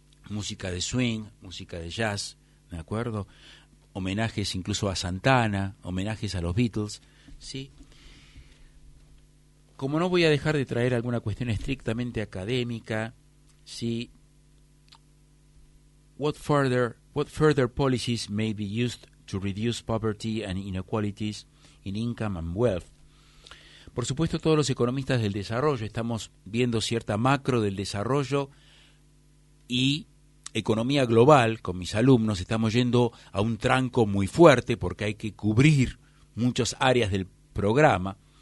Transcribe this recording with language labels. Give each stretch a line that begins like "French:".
Spanish: Música de swing, música de jazz, ¿de acuerdo? Homenajes incluso a Santana, homenajes a los Beatles, ¿sí? Como no voy a dejar de traer alguna cuestión estrictamente académica, ¿sí?
English: What further policies may be used to reduce poverty and inequalities in income and wealth?
Spanish: Por supuesto, todos los economistas del desarrollo estamos viendo cierta macro del desarrollo y economía global. Con mis alumnos estamos yendo a un tranco muy fuerte porque hay que cubrir muchas áreas del programa.